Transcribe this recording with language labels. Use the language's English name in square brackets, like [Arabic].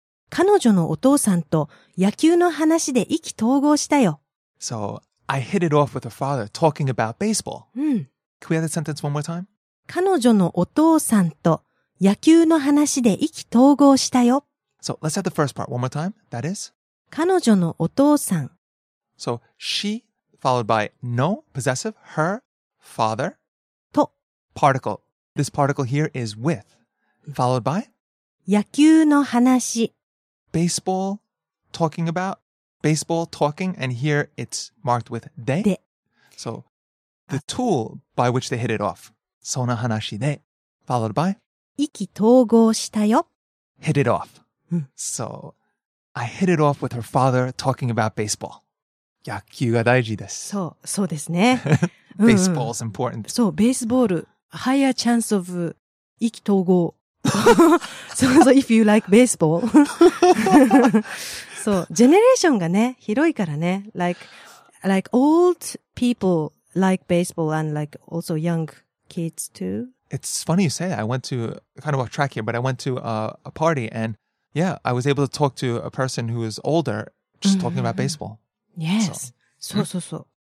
[Japanese] 彼女のお父さんと野球の話で意気投合したよ。 [English] So, I hit it off with her father talking about baseball. Can we have that sentence one more time? [Japanese] 彼女のお父さんと野球の話で意気投合したよ。 [English] So, let's have the first part one more time. That is? [Japanese] 彼女のお父さん。 [English] So, she, followed by no, possessive, her, father, [Japanese] と、 [English] particle. This particle here is with, followed by? [Japanese] 野球の話。 [English] Baseball, talking about, baseball, talking, and here it's marked with で。 [Japanese] で。 [English] So, the tool by which they hit it off. [Japanese] その話で、 [English] followed by? [Japanese] 意気投合したよ。 [English] Hit it off. So, I hit it off with her father talking about baseball. [Japanese] 野球が大事です。そう、そうですね。 [English] Baseball is important. [Japanese] そう、ベースボール。 [English] Higher chance of 意気投合。 [Japanese] そうそう、 [English] if you like baseball. [Japanese] そう、ジェネレーションがね、広いからね。 [English] Like old people like baseball and like also young kids too. It's funny you say that. I went to, kind of off track here, but I went to a party and yeah, I was able to talk to a person who is older just talking about baseball. Yes. So, so, so.